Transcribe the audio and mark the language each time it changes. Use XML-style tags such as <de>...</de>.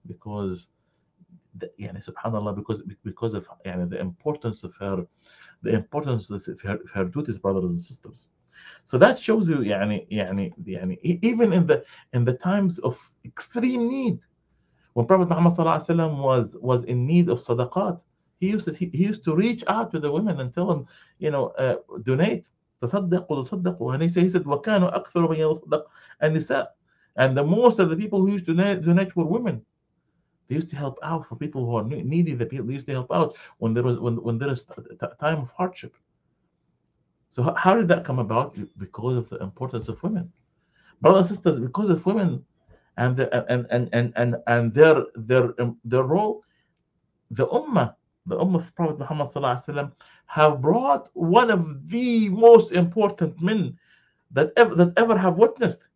<en>Because, يعني subhanAllah, because of يعني the importance of her duties, brothers and sisters. So that shows you, يعني even in the times of extreme need, when Prophet Muhammad sallallahu alayhi wa sallam was in need of sadaqat, he used to reach out to the women and tell them, donate.</en> <ar>تصدقوا تصدقوا هنيسا.</ar> <en>He said,</en> <ar>وكانوا أكثر من يصدق النساء.</ar> <en>And the most of the people who used to donate were women. They used to help out for people who are needy. The people, they used to help out when there is time of hardship. So how did that come about? Because of the importance of women, brothers and sisters. Because of women, and their role, the ummah of Prophet Muhammad sallallahu alaihi wasallam have brought one of the most important men that ever have witnessed.</en>